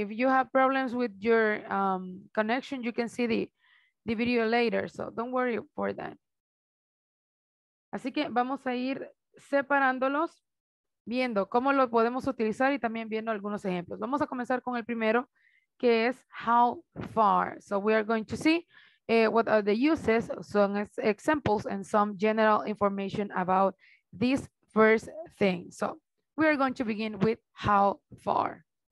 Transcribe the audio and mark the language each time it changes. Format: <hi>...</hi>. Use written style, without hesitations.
<en>If you have problems with your connection, you can see the video later. So don't worry for that.</en> <es>Así que vamos a ir separándolos, viendo cómo lo podemos utilizar y también viendo algunos ejemplos. Vamos a comenzar con el primero, que es how far.</es> <en>So we are going to see what are the uses, some examples, and some general information about this first thing. So we are going to begin with how far.</en>